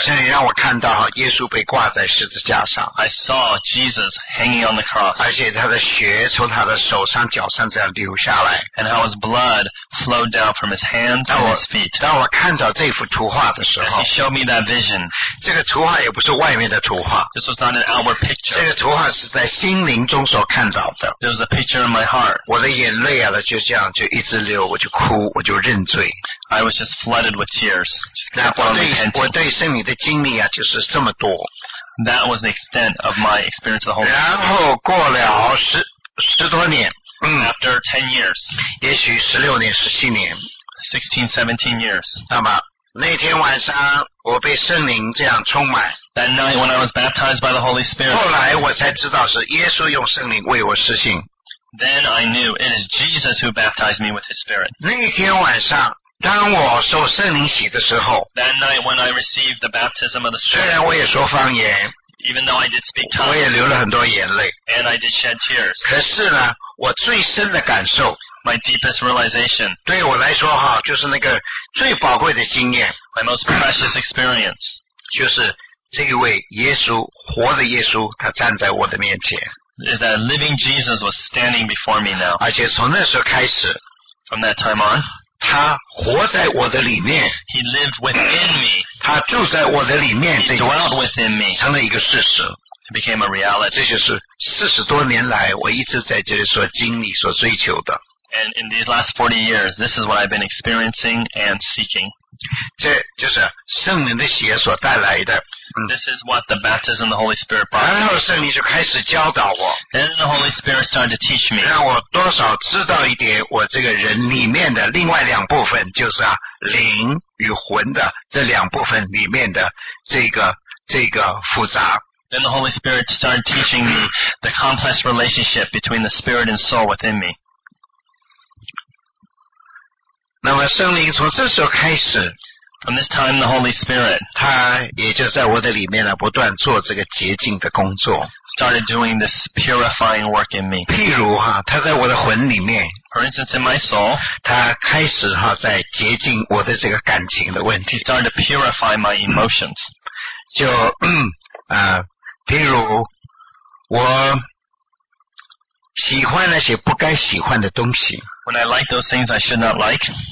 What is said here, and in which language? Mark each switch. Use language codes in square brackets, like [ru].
[zh] 圣灵让我看到哈耶稣被挂在十字架上。 [en] I saw Jesus hanging on the cross. [zh] 而且他的血从他的手上脚上这样流下来。 [en] And how his blood flowed down from his hands and his feet. [zh] 当我看到这幅图画的时候 [en] As he showed me that vision. [zh] 这个图画也不是外面的图画。 [en] This was not an outward picture. [zh] 这个图画是在心灵中所看到的。 [en] There was a picture in my heart. [zh] 我的眼泪啊就这样就一直流我就哭我就认罪。 [en] I was just flooded with tears. [zh] 我对圣灵的经历啊，就是这么多。 [en] That was the extent of my experience of the Holy Spirit. [zh] 然后过了十多年。 [en] After 10 years. [zh] 也许十六年、十七年。 [en] 16-17 years. [zh] 那么那天晚上，我被圣灵这样充满。 [en] That night when I was baptized by the Holy Spirit. [zh] 后来我才知道是耶稣用圣灵为我施行。 [en] Then I knew it is Jesus who baptized me with His Spirit. [zh] 那天晚上。当我受圣灵洗的时候 [en] That night when I received the baptism of the Spirit, [zh] 虽然我也说方言 [en] even though I did speak tongues, [zh] 我也流了很多眼泪 [en] and I did shed tears. [zh] 可是呢我最深的感受 [en] my deepest realization, [zh] 对我来说哈就是那个最宝贵的经验 [en] my most precious experience, [zh] 就是这一位耶稣活的耶稣他站在我的面前 [en] is that living Jesus was standing before me now. [zh] 而且从那时候开始 [en] from that time on, [zh] 他活在我的里面 [en] He lived within me. [zh] 他住在我的里面 [en] He dwelled within me. [zh] 成了一个事实 [en] It became a reality. [zh] 这就是四十多年来我一直在这里所经历所追求的 [en] And in these last 40 years, this is what I've been experiencing and seeking. [zh] 这就是圣灵的洗所带来的 [en] This is what the baptism of the Holy Spirit brought. [zh] 然后圣灵就开始教导我 [en] Then the Holy Spirit started to teach me. [zh] 让我多少知道一点我这个人里面的另外两部分就是灵与魂的这两部分里面的这个复杂 [en] Then the Holy Spirit started teaching me the complex relationship between the spirit and soul within me. [zh] 那么圣灵从这时候开始 [en] From this time the Holy Spirit [zh] 他也就在我的里面不断做这个洁净的工作 [en] Started doing this purifying work in me [zh] 譬如他在我的魂里面 [en] For instance in my soul [zh] 他开始在洁净我的这个感情的问题 [en] He started to purify my emotions [zh] 就譬如我喜欢那些不该喜欢的东西 [en] When I like those things I should not like